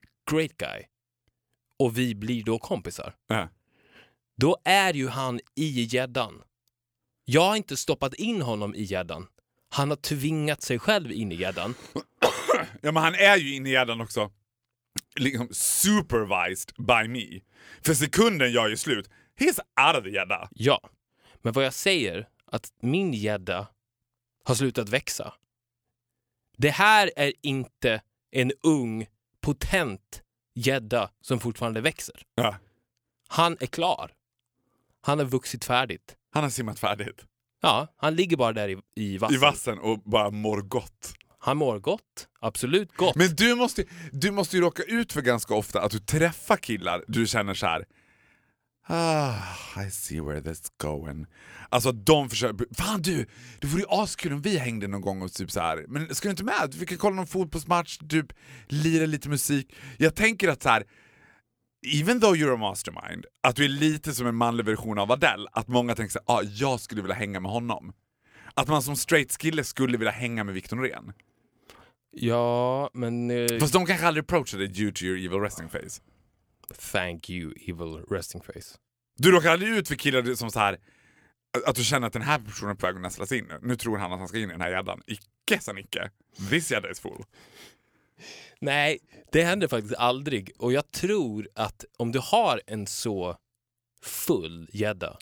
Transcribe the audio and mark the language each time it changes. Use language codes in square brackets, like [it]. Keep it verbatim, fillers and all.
[en] Great guy. [sv] Och vi blir då kompisar. Uh-huh. då är ju han i gäddan. Jag har inte stoppat in honom i gäddan. Han har tvingat sig själv in i gäddan. Ja, men han är ju in i gäddan också. Liksom [en] supervised by me. [sv] För sekunden jag är slut. [en] He's out of the gädda. [sv] Ja, men vad jag säger att min gädda har slutat växa. Det här är inte en ung, potent gädda som fortfarande växer. Ja. Han är klar. Han har vuxit färdigt. Han har simmat färdigt. Ja, han ligger bara där i, i vassen. I vassen och bara mår gott. Han mår gott, absolut gott. Men du måste, du måste ju råka ut för ganska ofta att du träffar killar du känner så här. [en] Ah, I see where this going. [sv] Alltså de försöker. Fan du, det vore ju askul om vi hängde någon gång och typ så här. Men ska du inte med? Vi kan kolla någon fotbollsmatch, typ lira lite musik. Jag tänker att så här, [en] even though you're a mastermind, [sv] att du är lite som en manlig version av Adele. Att många tänker såhär, ah, jag skulle vilja hänga med honom. Att man som straight kille skulle vilja hänga med Victor Norén. Ja, men eh... fast de kanske aldrig approachade [en] due to your evil resting face. Thank you, evil resting face. [sv] Du råkar aldrig ut för killar som så här, att du känner att den här personen är på väg att nästlas in. Nu tror han att han ska in i den här jäddan. Icke, san icke. [en] This jädda is full. [sv] Nej, det händer faktiskt aldrig. Och jag tror att om du har en så full jädda,